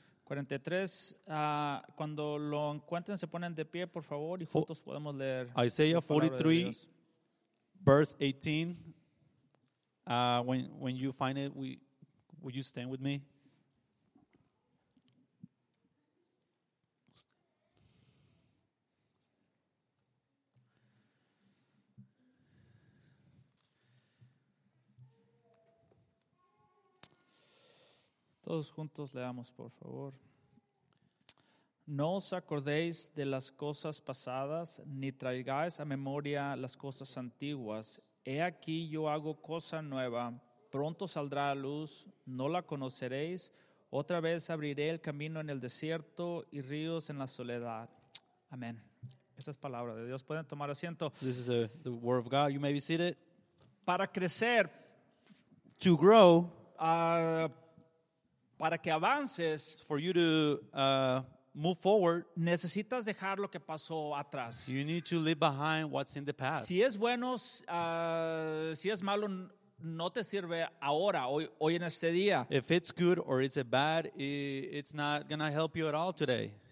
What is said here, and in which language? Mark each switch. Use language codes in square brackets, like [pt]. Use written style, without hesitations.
[es] 43, cuando lo encuentren se ponen de pie, por favor, y juntos podemos leer. [en] Isaiah 43, verse 18. When you find it, would you stand with me? [es] Todos juntos leamos, por favor. No os acordéis de las cosas pasadas, ni traigáis a memoria las cosas antiguas. He aquí yo hago cosa nueva, pronto saldrá a luz, no la conoceréis. Otra vez abriré el camino en el desierto y ríos en la soledad. Amén. Esa es palabra de Dios. Pueden tomar asiento. [en] This is the word of God. You may be seated. [es] Para crecer. [en] To grow. [es] Para que avances. [en] For you to move forward, [es] necesitas dejar lo que pasó atrás. [en] You need to leave behind what's in the past. [es] Si es bueno, si es malo, no te sirve ahora, hoy en este día. [en] If it's good or it's bad, it's not going to help you at all today.